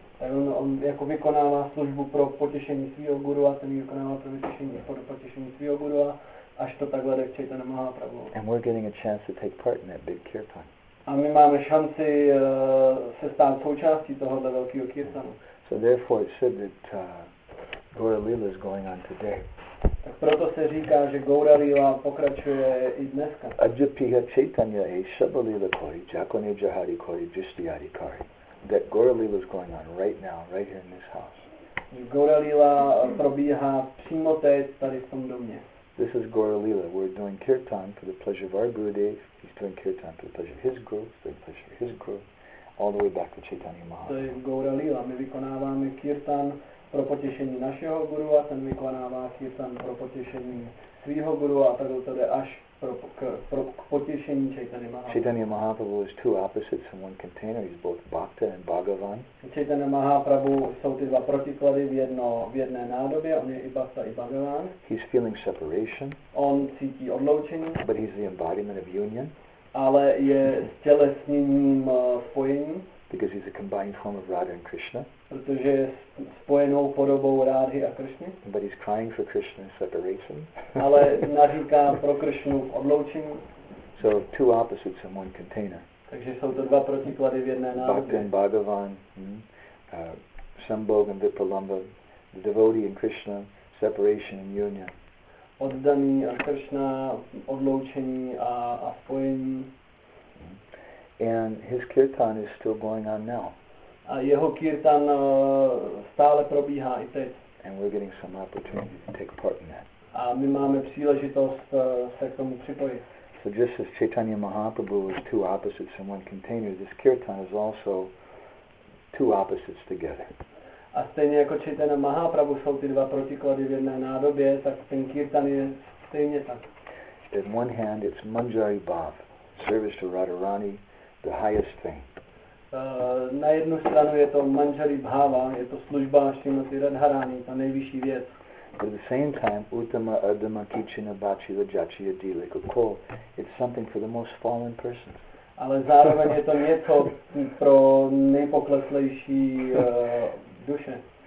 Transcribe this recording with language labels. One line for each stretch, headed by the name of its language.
Czech: On jako vykonává službu pro potěšení svého guru a ten vykonává pro potěšení svého guru a až to takhle jde k Chaitanya Mahaprabhu.
English: And we're getting a chance to take part in that big kirtan.
Czech: A my máme šanci se stát součástí tohohle velkého kirtanu.
English: So therefore it said that Gaura Lila is going on today.
Czech: Tak proto se říká, že Gaura Lila pokračuje i dneska. Ajapiha Chaitanya e Shabalila Kori, Jakone Jahari Kori, Jistiyari Kori.
English: That Gaura Lila is going on right now, right here in this house.
Czech: Gaura Lila probíhá přímo teď tady v tom domě.
English: This is Gaura Lila. We're doing kirtan for the pleasure of our Gurudev. He's doing kirtan for the pleasure of his guru, for the pleasure of his guru, all the way back to Chaitanya Mahaprabhu.
Czech: To je Gaura Lila. My vykonáváme kirtan pro potěšení našeho guru a ten vykonává kirtan pro potěšení svýho guru a tak to jde až k potěšení Chaitanya Mahaprabhu.
English: Chaitanya Mahaprabhu is two opposites in one container. He's both Bhakta and Bhagavan.
Czech: Čitana Mahaprabhu jsou ty dva protiklady v jedné nádobě, on je Ibasa i Bhagavan.
English: He's feeling separation.
Czech: On cítí odloučení.
English: But he's the embodiment of union.
Czech: Ale je stělesněním spojení.
English: Because he's a combined form of Radha and Krishna.
Czech: Protože je spojenou podobou Rádhy a Krishny.
English: But he's crying for Krishna's separation.
Czech: Ale naříká pro Krishnu v odloučení.
English: So two opposites in one container.
Czech: Takže jsou to dva protiklady v jedné nádobě.
English: Bhakti and Bhagavan, Sambhog and Vipralamba, the devotee and Krishna, separation and union.
Czech: Oddaný a Krishna, odloučení a spojení.
English: And his kirtan is still going on now.
Czech: A jeho kirtan stále probíhá i teď.
English: And we're getting some opportunity to take part in that.
Czech: A my máme příležitost se k tomu připojit.
English: So just as Chaitanya Mahaprabhu is two opposites in one container, this kirtan is also two opposites together.
Czech: A stejně jako Chaitanya Mahaprabhu jsou ty dva protiklady v jedné nádobě, tak ten kirtan je stejně tak.
English: In one hand it's Manjari Bhav, service to Radharani, the highest thing.
Czech: Na jednu stranu je to Manjari Bhava, je to služba Srimati Radharani, ta nejvyšší věc.
English: But at the same time, uttama adama kichina bachila jachiya dilika ko, it's something for the most fallen persons.
Czech: Ale zároveň je to něco pro nejpokleslejší duše.